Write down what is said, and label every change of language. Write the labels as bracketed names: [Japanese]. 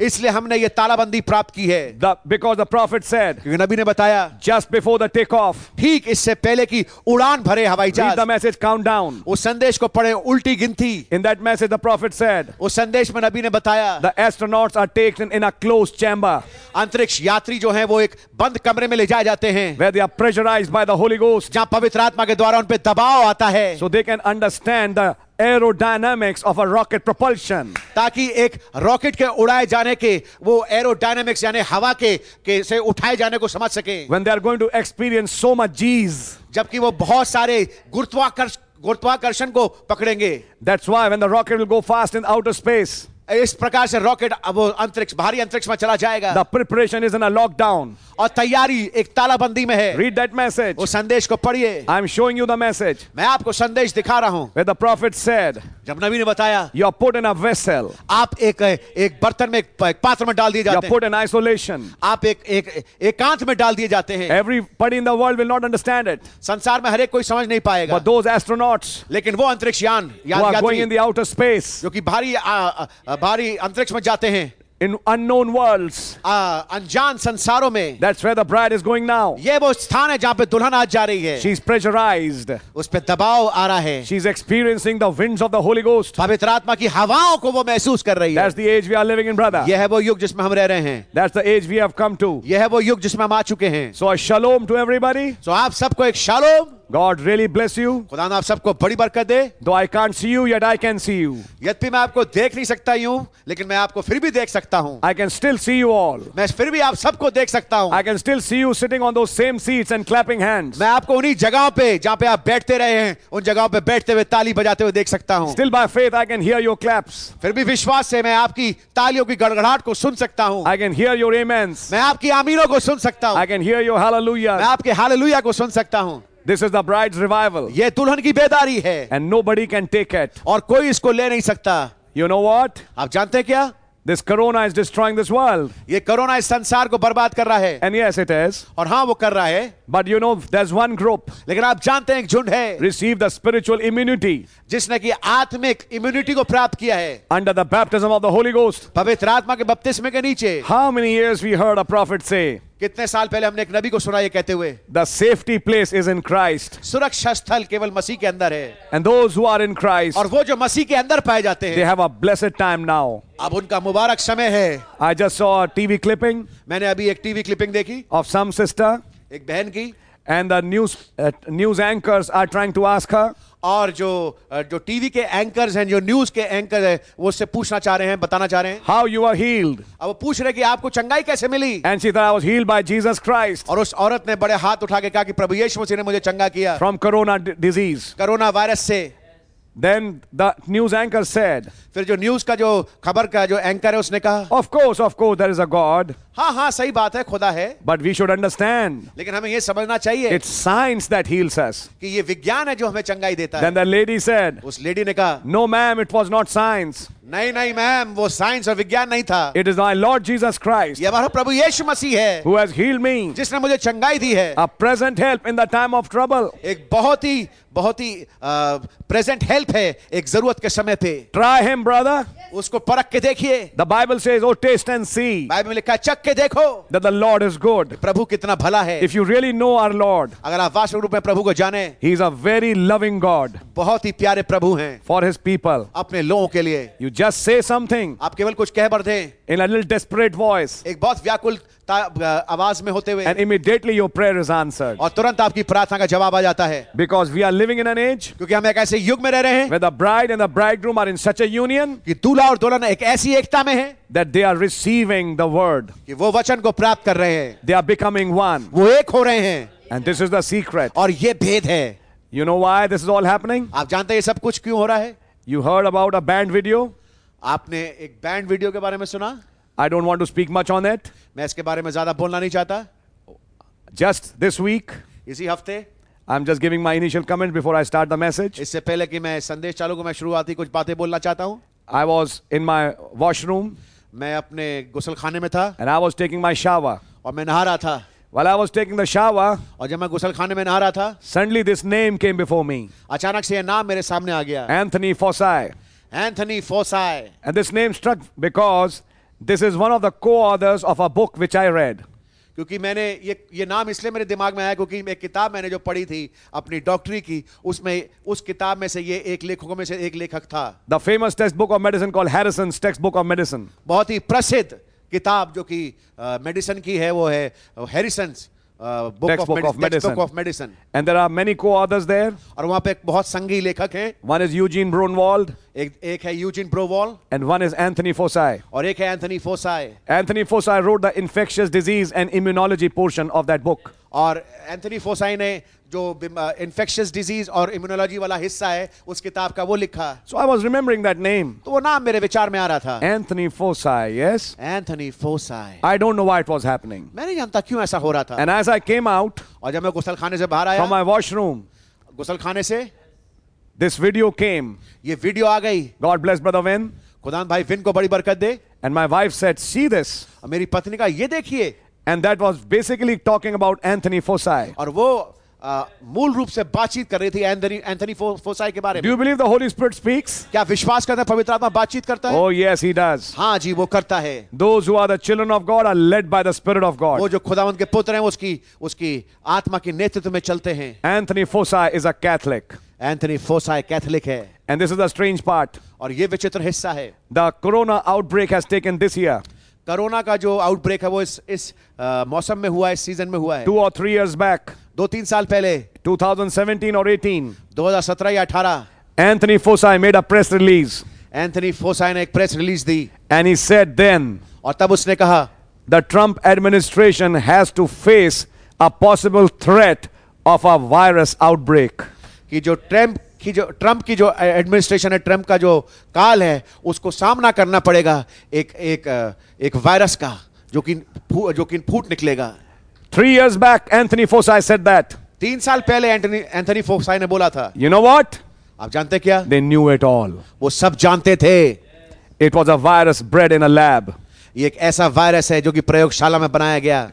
[Hindi] इसलिए हमने ये तालाबंदी प्राप्त की है. [English] Because the prophet said. [Hindi] क्योंकि नबी ने बताया. [English] Just before the takeoff. [Hindi] ठीक इससे पहले की उड़ान भरे हवाई जहाज. [English] Read the message countdown. [Hindi] उस संदेश को पढ़े उल्टी गिनती. [English] In that message the prophet said, [Hindi] उस संदेश में नबी ने बताया, [English] the astronauts are taken in a closed chamber. [Hindi] अंतरिक्ष यात्री जो हैं वो एक बंद कमरे में ले जाए जाते हैं. [English] Where they are pressurized by the Holy Ghost. [Hindi] जहां पवित्र आत्मा के द्वारा उन पे दबाव आता है. [English] So they can understand the aerodynamics of a rocket propulsion. [Hindi] ताकि एक रॉकेट के उड़ाए जाने के वो aerodynamics यानी हवा के से उठाए जाने को समझ सके. [English] When they are going to experience so much G's. [Hindi] जबकि वो बहुत सारे गुरुत्वाकर्षण को पकड़ेंगे. [English] That's why when the rocket will go fast in outer space. [Hindi] इस प्रकार से रॉकेट अब अंतरिक्ष भारी अंतरिक्ष में चला जाएगा. [English] The preparation is in a lockdown. [Hindi] और तैयारी एक तालाबंदी में है. [English] Read that message. [Hindi] उस संदेश को पढ़िए. [English] I am showing you the message. [Hindi] मैं आपको संदेश दिखा रहा हूँ. [English] Where the prophet said. [Hindi] जब नबी ने बताया. [English] You are put in a vessel. [Hindi] आप एक बर्तन में एक पात्र में डाल दिए जाते हैं. [English] You are put in isolation. [Hindi] आप एकांत में डाल दिए जाते हैं. [English] Everybody in the world will not understand it. [Hindi] संसार में हर एक कोई समझ नहीं पाएगा. [English] But those astronauts. [Hindi] लेकिन वो अंतरिक्ष यान [English] यात्री. Going in the outer space. [Hindi] जो कि भारी अंतरिक्ष में जाते हैं. [English] In unknown worlds, [Hindi] अनजान संसारों में. [English] That's where the bride is going now. [Hindi] ये वो स्थान है जहाँ पे दुल्हन आज जा रही है. [English] She's pressurized. [Hindi] उस पे दबाव आ रहा है. [English] She's experiencing the winds of the Holy Ghost. [Hindi] पवित्र आत्मा की हवाओं को वो महसूस कर रही है. [English] That's the age we are living in, brother. [Hindi] ये है वो युग जिसमें हम रह रहे हैं. [English] That's the age we have come to. [Hindi] ये है वो युग जिसमें हम आ चुके हैं. [English] So a shalom to everybody. [Hindi] So आप सबको एक shalom. [English] God really bless you. [Hindi] खुदा ना आप सबको बड़ी बरकत दे. [English] Though I can't see you, yet I can see you. [Hindi] यद्यपि मैं आपको देख नहीं सकता हूँ, लेकिन मैं आपको फिर भी देख सकता हूँ. [English] I can still see you all. [Hindi] मैं फिर भी आप सबको देख सकता हूँ. [English] I can still see you sitting on those same seats and clapping hands. [Hindi] मैं आपको उन्हीं जगहों पे, जहाँ पे आप बैठते रहे हैं, उन जगहों पे बैठते हुए ताली बजाते हुए देख सकता हूँ. [English] Still by faith, I can hear your claps. [Hindi] फिर भी विश्वास से मैं आपकी तालियों की गड़गड़ाहट को सुन सकता हूँ. [English] I can hear your amens. [Hindi] मैं आपकी आमीनों को सुन सकता हूँ. [English] I can hear your hallelujah. [Hindi] मैं आपके हालेलुया को सुन सकता हूँ. [English] This is the bride's revival. [Hindi] ये दुल्हन की बेदारी है. [English] And nobody can take it. [Hindi] और कोई इसको ले नहीं सकता. [English] You know what? [Hindi] आप जानते हैं क्या? [English] This corona is destroying this world. [Hindi] ये कोरोना इस संसार को बर्बाद कर रहा है. [English] And yes, it is. [Hindi] और हाँ, वो कर रहा है. [English] But you know, there's one group. [Hindi] लेकिन आप जानते हैं, एक झुंड है. [English] Receive the spiritual immunity. [Hindi] जिसने कि आत्मिक इम्यूनिटी को प्राप्त किया है. [English] Under the baptism of the Holy Ghost. [Hindi] पवित्र आत्मा के बपतिस्मे के नीचे. [English] How many years we heard a prophet say? [Hindi] कितने साल पहले हमने एक नबी को सुना ये कहते हुए. [English] The safety place is in Christ. [Hindi] सुरक्षा स्थल केवल मसीह के अंदर है. [English] And those who are in Christ. [Hindi] और वो जो मसीह के अंदर पाए जाते हैं. [English] They have a blessed time now. [Hindi] अब उनका मुबारक समय है. [English] I just saw a TV clipping. [Hindi] मैंने अभी एक टीवी क्लिपिंग देखी. [English] Of some sister. [Hindi] एक बहन की. [English] And the news anchors are trying to ask her. [Hindi] और जो टीवी के एंकर्स हैं, जो न्यूज के एंकर हैं, वो उससे पूछना चाह रहे हैं, बताना चाह रहे हैं, [English] How you are healed. [Hindi] अब वो पूछ रहे कि आपको चंगाई कैसे मिली. [English] And she thought I was healed by Jesus Christ. [Hindi] और उस औरत ने बड़े हाथ उठा के कहा कि प्रभु यीशु मसीह ने मुझे चंगा किया. [English] From corona disease. [Hindi] Corona virus से. [English] Then the news anchor said. [Hindi] फिर जो न्यूज़ का जो खबर का जो एंकर है उसने कहा. [English] Of course, there is a God. [Hindi] हाँ हाँ सही बात है, खुदा है. [English] But we should understand. [Hindi] लेकिन हमें ये समझना चाहिए. [English] It's science that heals us. [Hindi] कि ये विज्ञान है जो हमें चंगाई देता [English] है. Then the lady said. [Hindi] उस लेडी ने कहा. [English] No, ma'am, it was not science. [Hindi] नहीं नहीं मैम, वो साइंस और विज्ञान नहीं था. [English] It is my Lord Jesus Christ. [Hindi] ये हमारा प्रभु यीशु मसीह है. [English] Who has healed me. [Hindi] जिसने मुझे चंगाई दी है. [English] A present help in the time of trouble. [Hindi] एक बहुत ही [English] present help [Hindi] है एक जरूरत के समय पे. [English] Try him, brother. [Hindi] उसको परख के देखिए. [English] The Bible says, oh, taste and see. [Hindi] Bible में लिखा, चख के देखो. [English] That the Lord is good. [Hindi] प्रभु कितना भला है. [English] If you really know our Lord. [Hindi] अगर आप वास्तविक रूप में प्रभु को जाने. [English] He is a very loving God. [Hindi] बहुत ही प्यारे प्रभु हैं. [English] For his people. [Hindi] अपने लोगों के लिए. [English] You just say something. [Hindi] आप केवल कुछ कह बढ़ते. [English] In a little desperate voice. [Hindi] एक बहुत व्याकुल आवाज में होते हुए. [English] And immediately your prayer is answered. [Hindi] और तुरंत आपकी प्रार्थना का जवाब आ जाता है. [English] Because we are living in an age. [Hindi] क्योंकि हम एक ऐसे युग में रह रहे हैं. [English] Where the bride and the bridegroom are in such a union. [Hindi] कि दूल्हा और दुल्हन एक ऐसी एकता में है. [English] That they are receiving the word. [Hindi] कि वो वचन को प्राप्त कर रहे हैं. [English] They are becoming one. [Hindi] वो एक हो रहे हैं. [English] And this is the secret. [Hindi] और ये भेद है. [English] You know why this is all happening? [Hindi] आप जानते हैं ये सब कुछ क्यों हो रहा है? [English] You heard about a band video? [Hindi] आपने एक बैंड वीडियो के बारे में सुना? [English] I don't want to speak much on it. [Hindi] मैं इसके बारे में ज्यादा बोलना नहीं चाहता. [English] Just this week. [Hindi] इसी हफ्ते. [English] I'm just giving my initial comment before I start the message. [Hindi] इससे पहले कि मैं संदेश चालू करूं, मैं शुरुआती कुछ बातें बोलना चाहता हूं. [English] I was in my washroom. [Hindi] मैं अपने गुसलखाने में था. [English] And I was taking my shower. [Hindi] और मैं नहा रहा था. [English] While I was taking the shower. [Hindi] और जब मैं गुसलखाने में नहा रहा था. [English] Suddenly this name came before me. [Hindi] अचानक से यह नाम मेरे सामने आ गया. [English] Anthony Fosai. [Hindi] Anthony Fosai. [English] And this name struck because this is one of the co-authors of a book which I read. [Hindi] क्योंकि मैंने ये नाम इसलिए मेरे दिमाग में आया क्योंकि एक किताब मैंने जो पढ़ी थी अपनी डॉक्टरी की उसमें उस किताब में से ये एक लेखकों में से एक लेखक था. [English] The famous textbook of medicine called Harrison's textbook of medicine. [Hindi] बहुत ही प्रसिद्ध किताब जो कि मेडिसिन की है वो है Harrison's [English] textbook of medicine. And there are many co-authors there. [Hindi] और वहाँ पे बहुत संगी लेखक हैं. [English] One is Eugene Bronwald. [Hindi] एक है Eugene Bronwald. [English] And one is Anthony Fosai. [Hindi] और एक है Anthony Fosai. [English] Anthony Fosai wrote the infectious disease and immunology portion of that book. [Hindi] और Anthony Fosai ने जो infectious disease और immunology वाला हिस्सा है उस किताब का वो लिखा. [English] So I was remembering that name. [Hindi] तो वो नाम मेरे विचार में आ रहा था. [English] Anthony Fosai, yes. [Hindi] Anthony Fosai. [English] I don't know why it was happening. [Hindi] मैं नहीं जानता क्यों ऐसा हो रहा था. [English] And as I came out. [Hindi] और जब मैं गुसलखाने से बाहर आया. [English] From my washroom. [Hindi] गुसलखाने से. [English] This video came. [Hindi] ये वीडियो आ गई. [English] God bless brother Vin. [Hindi] खुदान भाई विन को बड़ी बरकत दे. [English] And my wife said, see this. [Hindi] मेरी पत्नी का ये देखिए. [English] And that was basically talking about Anthony Fosai. [Hindi] और वो मूल रूप से बातचीत कर रही थी Anthony Fosai के बारे में. [English] Do you believe the Holy Spirit speaks? [Hindi] क्या विश्वास करते हैं पवित्र आत्मा बातचीत करता है? [English] Oh yes, he does. [Hindi] हाँ जी वो करता है. [English] Those who are the children of God are led by the Spirit of God. [Hindi] वो जो खुदावंत के पुत्र हैं उसकी आत्मा के नेतृत्व में चलते हैं. [English] Anthony Fosai is a Catholic. [Hindi] Anthony Fosai Catholic है. [English] And this is the strange part. [Hindi] और ये विचित्र हिस्सा है. [English] The corona outbreak has taken this year. [Hindi] Corona का जो आउटब्रेक है वो इस मौसम में हुआ है, सीजन में हुआ है. [English] Two or three years back. [Hindi] 2-3 साल पहले 2017 और 18 2017 या 18 [English] Anthony Fauci made a press release [Hindi] Anthony foci ने एक press release the [English] and he said then [Hindi] और तब उसने कहा [English] the Trump administration has to face a possible threat of a virus outbreak [Hindi] कि जो ट्रंप की जो ट्रंप की जो एडमिनिस्ट्रेशन है ट्रंप का जो काल है उसको सामना करना पड़ेगा एक एक एक वायरस का जो कि फूट निकलेगा [English] 3 years back Anthony Fauci said that [Hindi] 3 साल पहले Anthony Fauci ने बोला था [English] you know what [Hindi] आप जानते क्या [English] they knew it all [Hindi] वो सब जानते थे [English] it was a virus bred in a lab [Hindi] ये एक ऐसा वायरस है जो कि प्रयोगशाला में बनाया गया